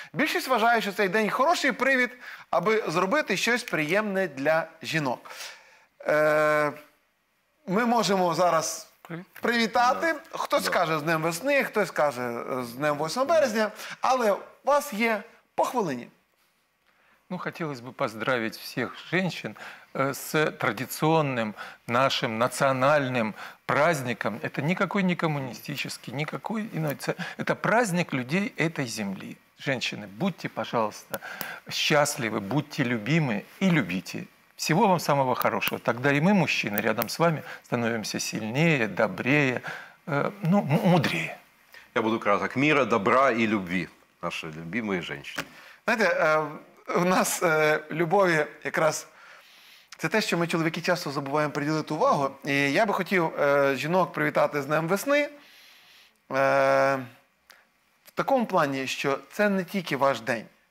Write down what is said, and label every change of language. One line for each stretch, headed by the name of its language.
Ukrainian: Більшість вважає, що цей день хороший привід, аби зробити щось приємне для жінок. Ми можемо зараз привітати. Хтось каже «З днем весни», хтось каже «З днем 8 березня». Але у вас є по хвилині.
Russian: Ну, хотелось бы поздравить всех женщин с традиционным нашим национальным праздником. Это никакой не коммунистический, никакой иной. Это праздник людей этой земли. Женщины, будьте, пожалуйста, счастливы, будьте любимы и любите. Всего вам самого хорошего. Тогда и мы, мужчины, рядом с вами становимся сильнее, добрее, ну, мудрее. Я буду краток. Мира, добра и любви, наши любимые женщины.
Ukrainian: Знаете, у нас любові якраз це те, що ми, чоловіки, часто забуваємо приділити увагу. І я би хотів жінок привітати з Днем весни в такому плані, що це не тільки ваш день.